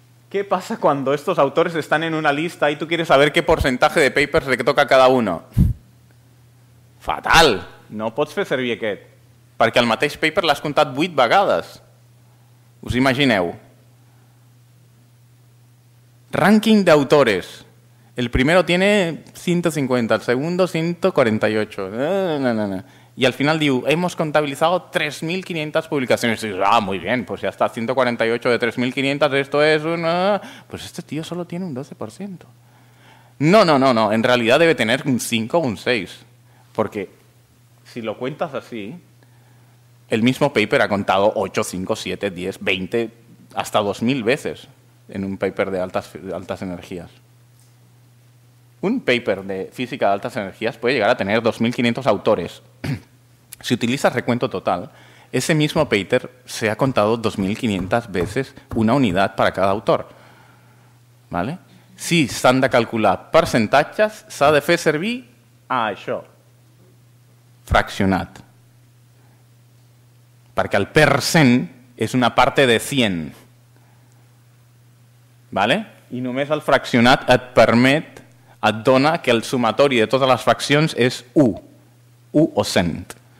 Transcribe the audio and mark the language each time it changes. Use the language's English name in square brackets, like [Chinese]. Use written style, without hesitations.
[Spanish] ¿Qué pasa cuando estos autores están en una lista y tú quieres saber qué porcentaje de papers le toca a cada uno? [Catalan] ¡Fatal! No pots fer servir aquest. Perquè el mateix paper l'has comptat 8 vegades. Us imagineu. Ranking d'autores. [Spanish] El primero tiene 150, el segundo 148. No, no, no. Y al final [Catalan] diu, [Spanish] hemos contabilizado 3.500 publicaciones. Y dices, ah, muy bien, pues ya está, 148 de 3.500, esto es un... Pues este tío solo tiene un 12%. No. En realidad debe tener un 5 o un 6. Porque si lo cuentas así, el mismo paper ha contado 8, 5, 7, 10, 20, hasta 2.000 veces en un paper de altas energías. Un paper de física de altas energías puede llegar a tener 2.500 autores. Si utilizas recuento total, ese mismo paper se ha contado 2.500 veces una unidad para cada autor. ¿Vale? [Catalan] Si s'han de calcular percentatges, s'ha de fer servir a això. Fraccionat. Perquè el percent és una parte de 100. ¿Vale? I només el fraccionat et permet, et dona que el sumatori de totes les fraccions és 1. 1 o 100.